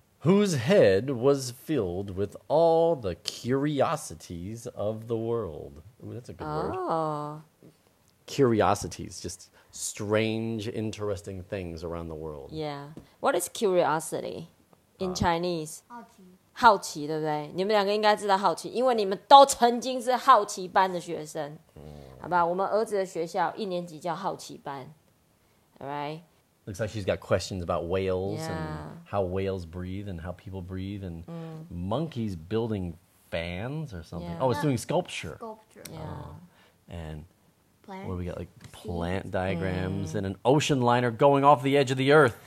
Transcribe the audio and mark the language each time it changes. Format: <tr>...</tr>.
<en>Whose head was filled with all the curiosities of the world? Ooh, that's a good word. Curiosities, just strange, interesting things around the world. Yeah. What is curiosity in Chinese?</en> <zh>好奇, 对不对? 你们两个应该知道好奇, 因为你们都曾经是好奇班的学生。好吧, 我们儿子的学校, 一年级叫好奇班,</zh> <en>all right? Looks like she's got questions about whales and how whales breathe and how people breathe and monkeys building fans or something. Yeah. Oh, it's doing sculpture. And plants. What do we got? Like plant diagrams and an ocean liner going off the edge of the earth.</en>